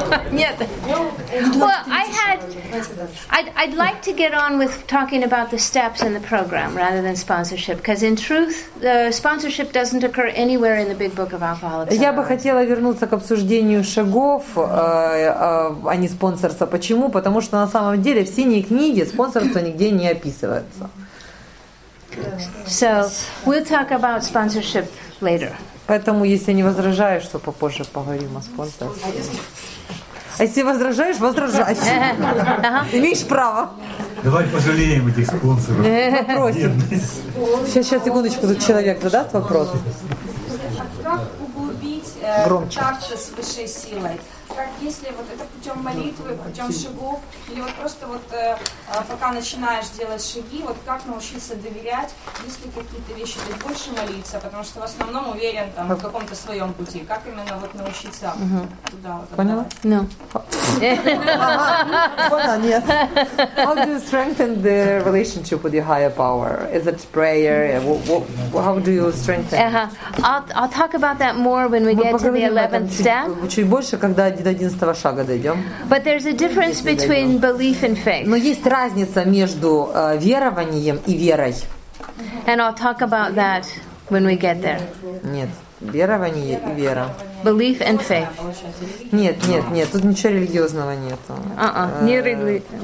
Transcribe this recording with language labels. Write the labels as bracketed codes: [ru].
[ru] Нет. [en] Well, I'd like to get on with talking about the steps in the program rather than sponsorship, because in truth, the sponsorship doesn't occur anywhere in the Big Book of Alcoholics. [ru] Я бы хотела вернуться к обсуждению шагов, а не спонсорства. Почему? Потому что на самом деле в синей книге спонсорство нигде не описывается. [en] So we'll talk about sponsorship later. [ru] Поэтому, если не возражаешь, то попозже поговорим о спонсорстве. А если возражаешь, возражай. Имеешь право. Давай пожалеем этих спонсоров. Вопросим. Сейчас, секундочку, тут человек задаст вопрос. Как углубить старца с высшей силой? Как, если вот это путем молитвы, путем шагов, или вот просто вот пока начинаешь делать шаги, вот как научиться доверять, если какие-то вещи, то есть больше молиться, потому что в основном уверен там в каком-то своем пути. Как именно вот научиться туда вот? Поняла? [en] No. [ru] Нет. [en] How do you strengthen the relationship with your higher power? Is it prayer? How do you strengthen? I'll talk about that more when we get to the 11th step. [ru] Чуть больше, когда до 11 шага дойдем. [en] But there's a difference between belief and faith. [ru] Но есть разница между верованием и верой. [en] And I'll talk about that when we get there. [ru] Нет. Верование и вера. [en] Belief and faith. [ru] Нет. Тут ничего религиозного нет.